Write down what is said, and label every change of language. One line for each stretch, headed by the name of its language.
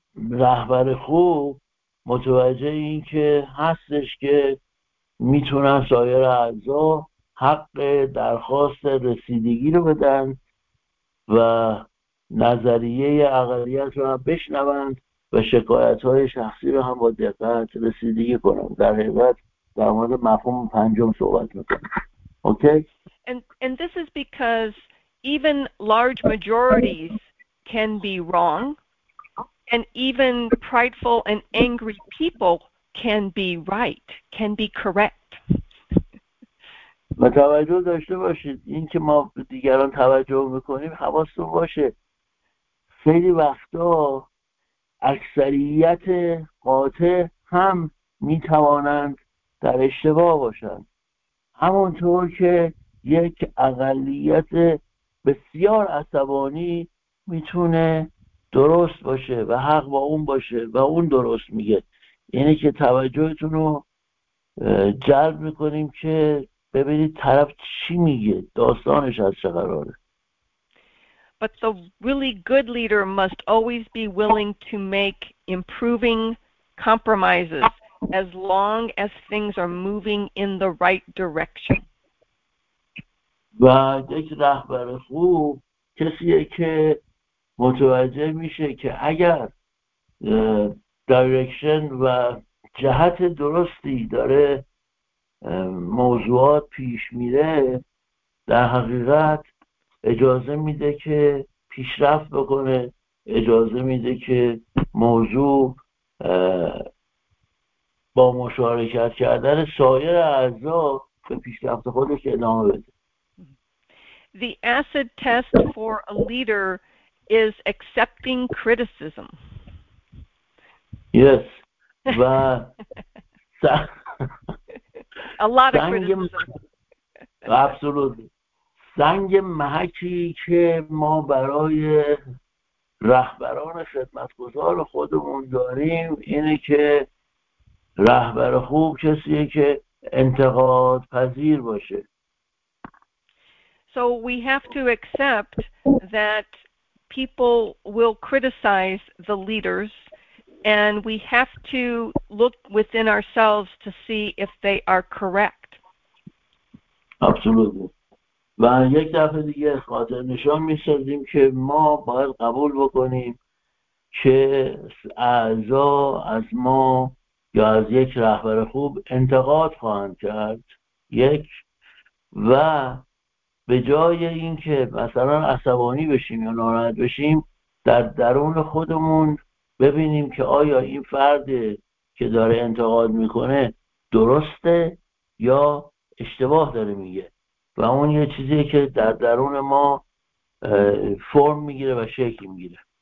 Persian: رهبر خوب متوجه این که هستش که میتونن سایر اعضا حق درخواست رسیدگی رو بدن و نظریه اقلیت رو هم بشنوند و شکایت‌های شخصی رو هم با دقت رسیدگی کنند. در حقیقت در مورد مفهوم پنجم صحبت می‌کنم.
English: Okay? And this is because even large majorities can be wrong. And even prideful and angry people can be right, can be correct.
Persian: متوجه داشته باشید این که ما به دیگران توجه میکنیم حواستون باشه خیلی وقتا اکثریت قاطع هم میتوانند در اشتباه باشند، همونطور که یک اقلیت بسیار عصبانی میتونه درست باشه و حق با اون باشه و اون درست میگه. اینه که توجهتون رو جلب میکنیم که ببینید طرف چی میگه، داستانش از چه قراره.
English: But the really good leader must always be willing to make improving compromises as long as things are moving in the right direction.
Persian: و یک رهبر خوب کسیه که متوجه میشه که اگر دایرکشن و جهت درستی داره موضوعات پیش میره، در حقیقت اجازه میده که پیشرفت بکنه، اجازه میده که موضوع با مشارکت کردن سایر اعضا به پیشرفت خودش ادامه بده.
English: The acid test for a leader is accepting criticism. Yes. A lot of criticism. Absolutely.
Persian: سنگ محکی که ما برای رهبران خدمتگزار خودمون داریم اینه که رهبر خوب کسیه که انتقاد پذیر باشه.
English: So we have to accept that people will criticize the leaders, and we have to look within ourselves to see if they are correct. Absolutely.
Persian: و یک دفعه دیگه خاطر نشان می‌سازیم که ما باید قبول بکنیم که اعضا از ما یا از یک رهبر خوب انتقاد خواهند کرد. یک و به جای اینکه مثلا عصبانی بشیم یا ناراحت بشیم در درون خودمون ببینیم که آیا این فرد که داره انتقاد میکنه درسته یا اشتباه داره میگه و اون یه چیزیه که در درون ما فرم میگیره و شکل میگیره.